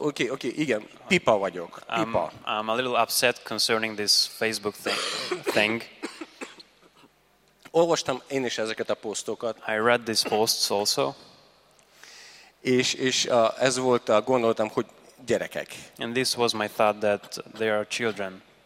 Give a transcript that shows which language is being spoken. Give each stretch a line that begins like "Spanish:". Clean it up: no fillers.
Hungarian: Okay, igen, pipa vagyok, pipa.
English: I'm a little upset concerning this Facebook thing.
Hungarian: Olvastam én is ezeket a posztokat.
English: I read these posts also.
Hungarian: És ez volt a gondolatom, hogy gyerekek.
English: And this was my thought that they are children.